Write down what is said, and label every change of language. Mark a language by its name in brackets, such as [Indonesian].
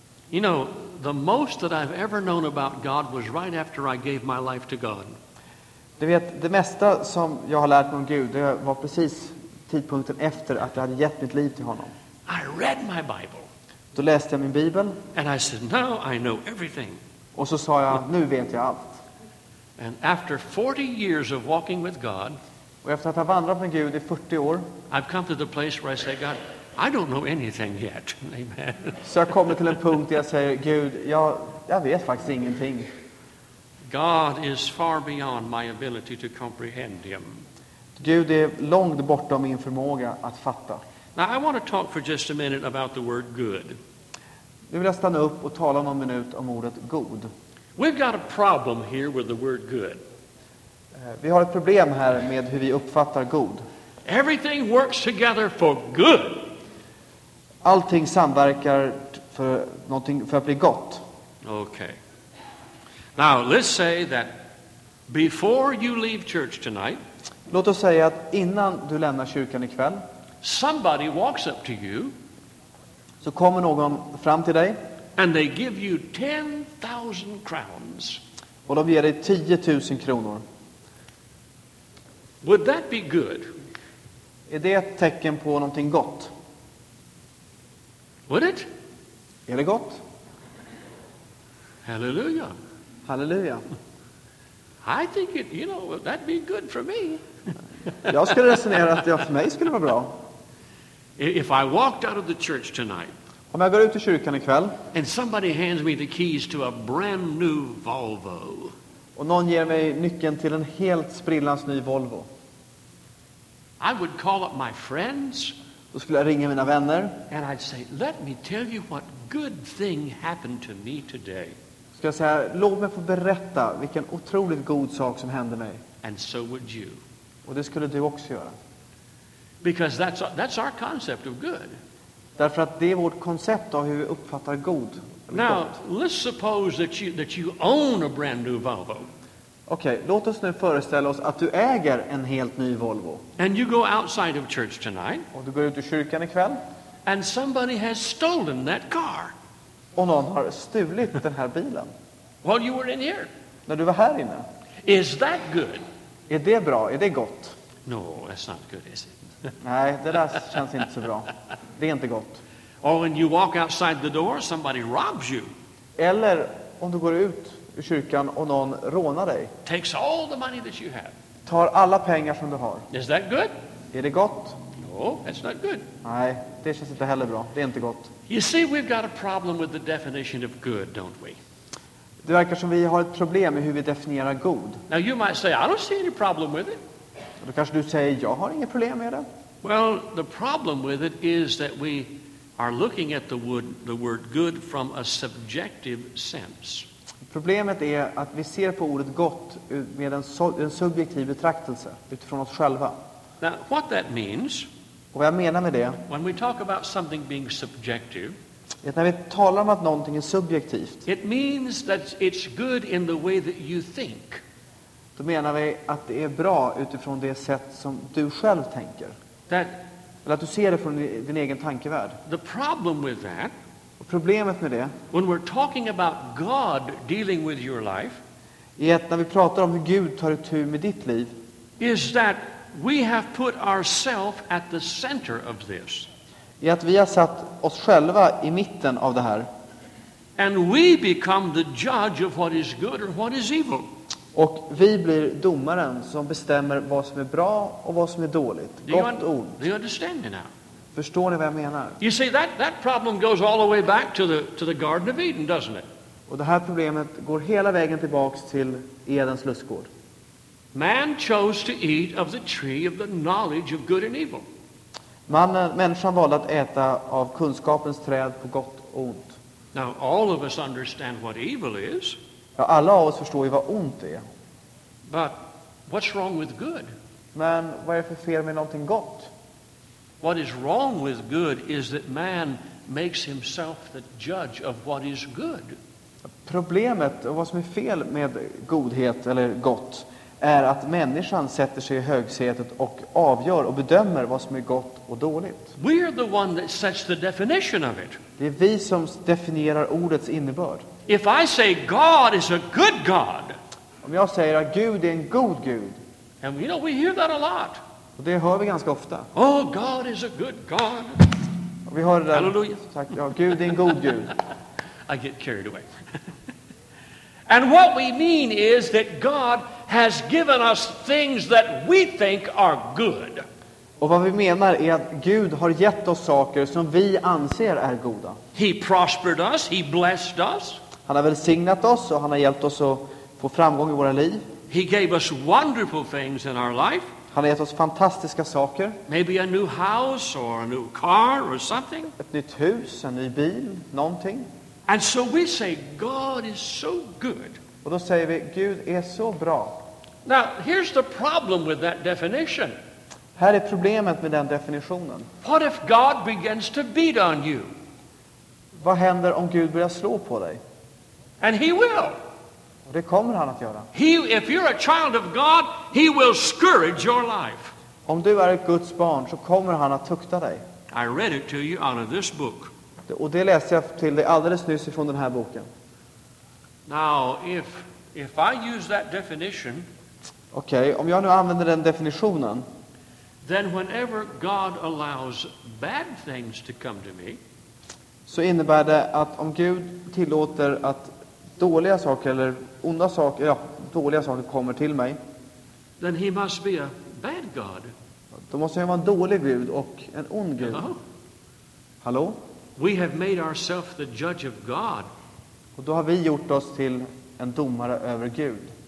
[English] You know, the most that I've ever known about God was right after I gave my life to God. [Swedish] Du vet, det mesta som jag har lärt mig om Gud, det var precis tidpunkten efter att jag hade gett mitt liv till honom. [English] I read my Bible. [Swedish] Då läste jag min Bibel. [English] And I said, now I know everything. [Swedish] Och så sa jag, nu vet jag allt. [English] And after 40 years of walking with God, [Swedish] och efter att ha vandrat med Gud i 40 år, [English] I've come to the place where I say, God, I don't know anything yet. Amen. [Swedish] Så jag kommer till en punkt där jag säger, Gud, jag vet faktiskt ingenting. [English] God is far beyond my ability to comprehend him. [Swedish] Gud är långt bortom min förmåga att fatta. [English] Now I want to talk for just a minute about the word good. [Swedish] Nu vill jag stanna upp och tala någon minut om ordet god. [English] We've got a problem here with the word good. [Swedish] Vi har ett problem här med hur vi uppfattar god. [English] Everything works together for good. [Swedish] Allting samverkar för någonting, för att bli gott. [English] Okay. Now let's say that before you leave church tonight, [Swedish] låt oss säga att innan du lämnar kyrkan ikväll, [English] somebody walks up to you, [Swedish] så kommer någon fram till dig, [English] and they give you 10,000 crowns. [Swedish] Och de ger dig 10 000 kronor. [English] Would that be good? [Swedish] Är det ett tecken på någonting gott? [English] Would it? [Swedish] Är det gott? [English] Hallelujah. [Swedish] Hallelujah. [English] I think it, you know, that'd be good for me. [Swedish] Jag skulle resonera att det för mig skulle vara bra. [English] If I walked out of the church tonight, [Swedish] om jag går ut i kyrkan ikväll, [English] and somebody hands me the keys to a brand new Volvo, [Swedish] och någon ger mig nyckeln till en helt sprillans ny Volvo, [English] I would call up my friends, [Swedish] då skulle jag ringa mina vänner, [English] and I'd say, let me tell you what good thing happened to me today. [Swedish] Ska jag säga, låt mig få berätta vilken otroligt god sak som hände mig. [English] And so would you. [Swedish] Och det skulle du också göra. [English] Because that's our concept of good. [Swedish] Därför att det är vårt koncept av hur vi uppfattar god. [English] Now, let's suppose that you own a brand new Volvo. [Swedish] Okay, låt oss nu föreställa oss att du äger en helt ny Volvo. [English] And you go outside of church tonight. [Swedish] Och du går ut i kyrkan ikväll. [English] And somebody has stolen that car. [Swedish] Och någon har stulit den här bilen. [English] While you were in here. [Swedish] När du var här inne. [English] Is that good? [Swedish] Är det bra? Är det gott? [English] No, that's not good, is it? [Swedish] Nej, det där känns inte så bra. Det är inte gott. [English] Or when you walk outside the door, somebody robs you. [Swedish] Eller om du går ut ur kyrkan och någon rånar dig. [English] Takes all the money that you have. [Swedish] Tar alla pengar som du har. [English] Is that good? [Swedish] Är det gott? [English] No, that's not good. [Swedish] Nej, det känns inte heller bra. Det är inte gott. [English] You see, we've got a problem with the definition of good, don't we? [Swedish] Det verkar som vi har ett problem med hur vi definierar god. [English] Now you might say, I don't see any problem with it. [Swedish] Då kanske du säger, jag har inget problem med det. [English] Well, the problem with it is that we are looking at the word good from a subjective sense. [Swedish] Problemet är att vi ser på ordet gott med en subjektiv betraktelse utifrån oss själva. [English] Now, what that means, [Swedish] och vad jag menar med det, [English] when we talk about something being subjective, [Swedish] att när vi talar om att någonting är subjektivt, [English] it means that it's good in the way that you think. [Swedish] Då menar vi att det är bra utifrån det sätt som du själv tänker. [English] That, [Swedish] eller att du ser det från din egen tankevärld. [English] The problem with that, [Swedish] problemet med det, [English] when we're talking about God dealing with your life, [Swedish] är att när vi pratar om hur Gud tar itu med ditt liv, [English] is that we have put ourselves at the center of this. [Swedish] Är att vi har satt oss själva i mitten av det här. [English] And we become the judge of what is good or what is evil. [Swedish] Och vi blir domaren som bestämmer vad som är bra och vad som är dåligt. Gott och ont. [English] Do you understand me now? [Swedish] Förstår ni vad jag menar? [English] You see, that problem goes all the way back to the Garden of Eden, doesn't it? [Swedish] Och det här problemet går hela vägen tillbaks till Edens lustgård. [English] Man chose to eat of the tree of the knowledge of good and evil. [Swedish] Människan valde att äta av kunskapens träd på gott och ont. [English] Now all of us understand what evil is. [Swedish] Ja, alla av oss förstår ju vad ont är. [English] But what's wrong with good? [Swedish] Men vad är det för fel med någonting gott? [English] What is wrong with good is that man makes himself the judge of what is good. [Swedish] Problemet och vad som är fel med godhet eller gott är att människan sätter sig i högsätet och avgör och bedömer vad som är gott och dåligt. [English] We are the one that sets the definition of it. [Swedish] Det är vi som definierar ordets innebörd. [English] If I say God is a good God. [Swedish] Om jag säger att Gud är en god Gud. [English] And you know, we hear that a lot. [Swedish] Och det hör vi ganska ofta. [English] Oh, God is a good God. [Swedish] Och vi hör det där. [English] Hallelujah. [Swedish] Tack, ja, Gud är en god Gud. [English] I get carried away. And what we mean is that God has given us things that we think are good. [Swedish] Och vad vi menar är att Gud har gett oss saker som vi anser är goda. [English] He prospered us, he blessed us. [Swedish] Han har välsignat oss och han har hjälpt oss att få framgång i våra liv. [English] He gave us wonderful things in our life. [Swedish] Han har gett oss fantastiska saker. [English] Maybe a new house or a new car or something. [Swedish] Ett nytt hus, en ny bil, någonting. [English] And so we say God is so good. [Swedish] Och då säger vi Gud är så bra. [English] Now, here's the problem with that definition. [Swedish] Här är problemet med den definitionen. [English] What if God begins to beat on you? [Swedish] Vad händer om Gud börjar slå på dig? [English] And he will. [Swedish] Och det kommer han att göra. [English] He, if you're a child of God, he will scourge your life. [Swedish] Om du är ett Guds barn så kommer han att tukta dig. [English] I read it to you out of this book. [Swedish] Och det läste jag till dig alldeles nyss ifrån den här boken. [English] Now, if I use that definition. [Swedish] Okej, om jag nu använder den definitionen. [English] Then whenever God allows bad things to come to me. [Swedish] Så innebär det att om Gud tillåter att dåliga saker eller onda saker, ja, dåliga saker kommer till mig. [English] Then he must be a bad God. [Swedish] Då måste han vara en dålig Gud och en ond Gud. [English] Hello? [Swedish] Hallå? [English] We have made ourselves the judge of God. [Swedish] Och då har vi gjort oss till en domare över Gud.